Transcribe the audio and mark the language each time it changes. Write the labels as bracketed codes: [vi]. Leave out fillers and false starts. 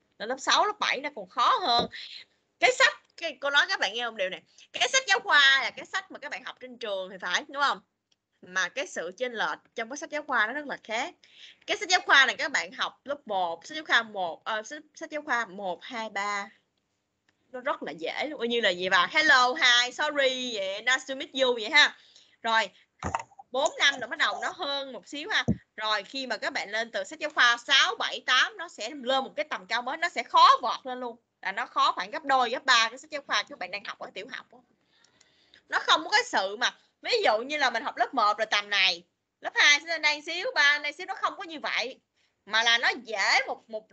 [vi] Lên lớp 6, lớp 7 nó còn khó hơn. Cái sách, cô nói các bạn nghe không điều này. Cái sách giáo khoa là cái sách mà các bạn học trên trường thì phải, đúng không? Mà cái sự chênh lệch trong cái sách giáo khoa nó rất là khác. Cái sách giáo khoa này các bạn học lớp 1, sách giáo khoa 1, sách giáo khoa 1, 2, 3. Nó rất là dễ, coi như là gì vào. [en] Hello, hi, sorry, nice to meet you [vi] vậy ha. Rồi. 4 năm rồi bắt đầu nó hơn một xíu ha. Rồi khi mà các bạn lên từ sách giáo khoa 6, 7, 8 nó sẽ lên một cái tầm cao mới. Nó sẽ khó vọt lên luôn. Là nó khó khoảng gấp đôi, gấp ba cái sách giáo khoa các bạn đang học ở tiểu học đó. Nó không có cái sự mà ví dụ như là mình học lớp 1 rồi tầm này, lớp 2 sẽ lên đây xíu, 3 lên đây xíu. Nó không có như vậy. Mà là nó dễ một